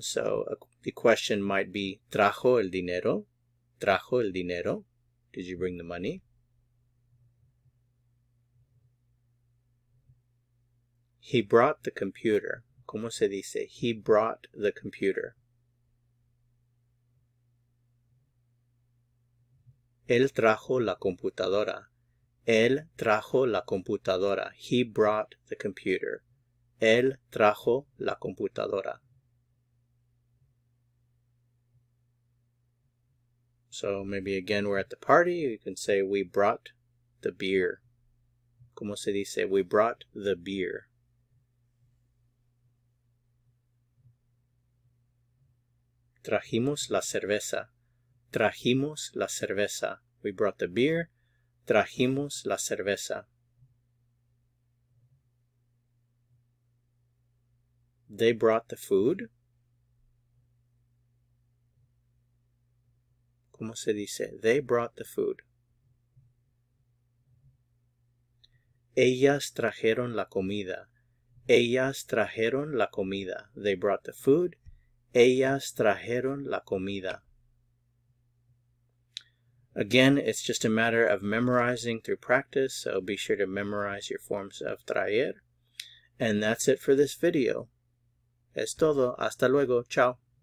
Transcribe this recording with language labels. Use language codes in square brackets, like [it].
[en] So the question might be, [es] ¿Trajo el dinero? ¿Trajo el dinero? [en] Did you bring the money? He brought the computer. [es] ¿Cómo se dice? [en] He brought the computer. [es] Él trajo la computadora. Él trajo la computadora. [en] He brought the computer. [es] Él trajo la computadora. [en] So maybe again we're at the party. You can say we brought the beer. [es] ¿Cómo se dice? [en] We brought the beer. [es] Trajimos la cerveza. Trajimos la cerveza. [en] We brought the beer. [es] Trajimos la cerveza. [en] They brought the food. [es] ¿Cómo se dice? [en] They brought the food. [es] Ellas trajeron la comida. Ellas trajeron la comida. [en] They brought the food. [es] Ellas trajeron la comida. [en] Again, it's just a matter of memorizing through practice, so be sure to memorize your forms of traer. And that's it for this video. [es] Es todo. Hasta luego. Chao.